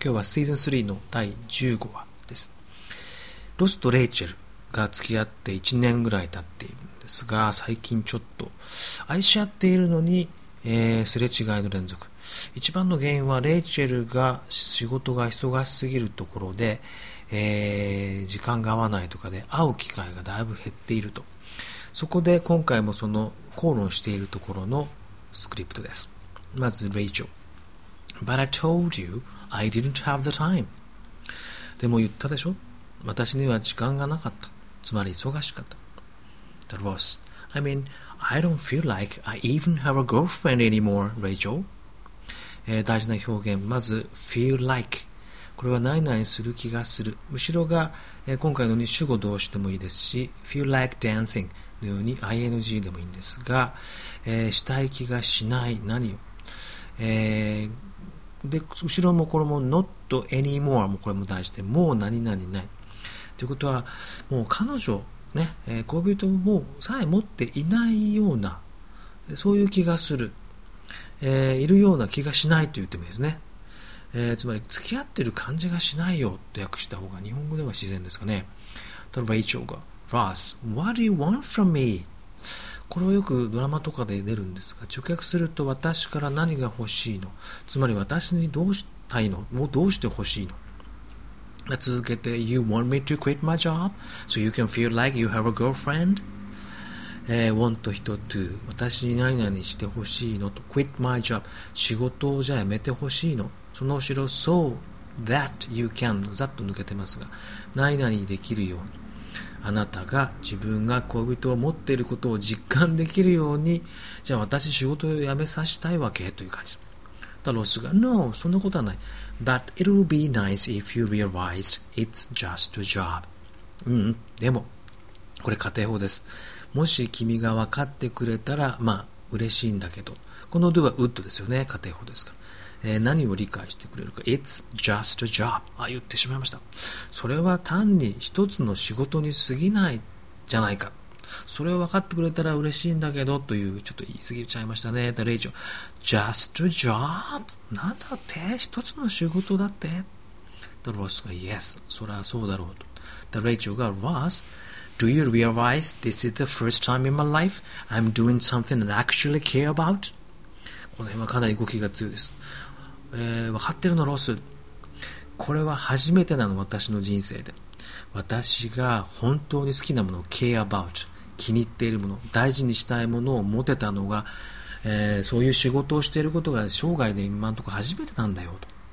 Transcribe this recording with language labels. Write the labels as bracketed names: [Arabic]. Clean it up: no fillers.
[Japanese] 今日はシーズン3の第15話です。ロスとレイチェルが付き合って1年ぐらい経っているんですが、最近ちょっと愛し合っているのに、すれ違いの連続。一番の原因はレイチェルが仕事が忙しすぎるところで、時間が合わないとかで会う機会がだいぶ減っていると。そこで今回もその口論しているところのスクリプトです。まずレイチェル、 [English] But I told you I didn't have the time。 [Japanese] でも言ったでしょ、私には時間がなかった、つまり忙しかった。 [English] The Ross、 I mean I don't feel like I even have a girlfriend anymore Rachel。 [Japanese] 大事な表現、まず feel like、これはないないする気がする、後ろが、今回のように主語動詞でもいいですし、 [English] feel like dancing [Japanese] のように ing でもいいんですが、したい気がしない、何を、で後ろもこれも [English] not anymore [Japanese] もこれも大事で、もう何々ないということは、もう彼女ね、恋人もさえ持っていないような、そういう気がする、いるような気がしないと言ってもいいですね。つまり付き合ってる感じがしないよと訳した方が日本語では自然ですかね。 [English] The Rachel が Ross, what do you want from me? [Japanese] これはよくドラマとかで出るんですが、直訳すると私から何が欲しいの、つまり私にどうしたいの、もうどうして欲しいの。続けて [English] You want me to quit my job so you can feel like you have a girlfriend、 [Japanese] want to 私に何々して欲しいのと、 [English] quit my job [Japanese] 仕事をじゃやめて欲しいの、その後ろ [English] so that you can [Japanese] ざっと抜けてますが、何々できるように、あなたが自分が恋人を持っていることを実感できるように、じゃあ私仕事を辞めさせたいわけという感じ。だロスが [English] No, [Japanese] そんなことはない。 [English] But it'll be nice if you realize it's just a job。 [Japanese] でもこれ仮定法です。もし君が分かってくれたら、まあ嬉しいんだけど、この do は would ですよね、仮定法ですから、何を理解してくれるか。 [English] It's just a job。 [Japanese] あ、言ってしまいました。それは単に一つの仕事に過ぎないじゃないか、それを分かってくれたら嬉しいんだけどという、ちょっと言い過ぎちゃいましたね。 The Rachel [English] Just a job [Japanese] なんだって、一つの仕事だって。 The Ross が Yes、 それはそうだろうと。 [English] The Rachel が Ross, Do you realize this is the first time in my life I'm doing something I actually care about。 [Japanese] この辺はかなり動きが強いです。分かってるのロス、これは初めてなの、私の人生で私が本当に好きなものを care about、 気に入っているもの、大事にしたいものを持てたのが、そういう仕事をしていることが生涯で今のところ初めてなんだよと。